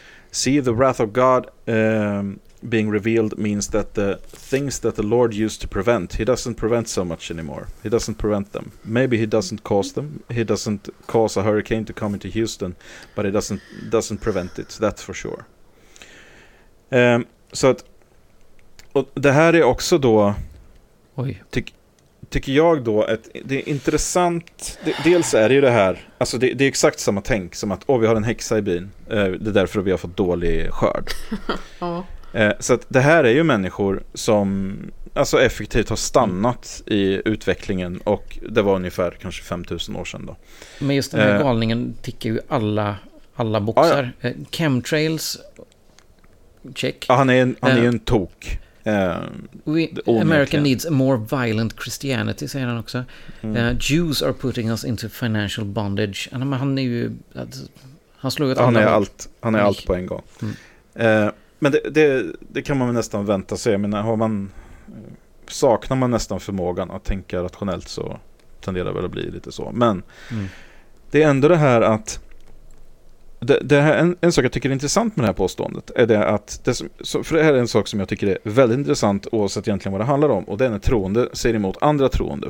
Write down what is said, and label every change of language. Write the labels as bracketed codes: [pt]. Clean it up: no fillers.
[en] See, the wrath of God being revealed means that the things that the Lord used to prevent, he doesn't prevent so much anymore. He doesn't prevent them. Maybe he doesn't cause them. He doesn't cause a hurricane to come into Houston, but he doesn't prevent it. That's for sure. [sv] Så att, och det här är också då, tycker jag då, att det är intressant. Dels är det ju det här, alltså det är exakt samma tänk som att vi har en häxa i byn, det är därför vi har fått dålig skörd. Så att det här är ju människor som alltså effektivt har stannat i utvecklingen, och det var ungefär kanske 5000 år sedan då. Men just den här galningen tickar ju alla boxar. Ja. [en] Chemtrails, check. [sv] Ja, han är en tok. [en] America needs a more violent Christianity, [sv] säger han också. [en] Jews are putting us into financial bondage. [sv] Han är ju, han slog ut alla. Han är allt på en gång. Men det kan man väl nästan vänta sig. Men saknar man nästan förmågan att tänka rationellt, så tenderar väl att bli lite så. Men det är ändå det här att en sak jag tycker är intressant med det här påståendet är det att för det här är en sak som jag tycker är väldigt intressant oavsett egentligen vad det handlar om, och det är när troende säger emot andra troende.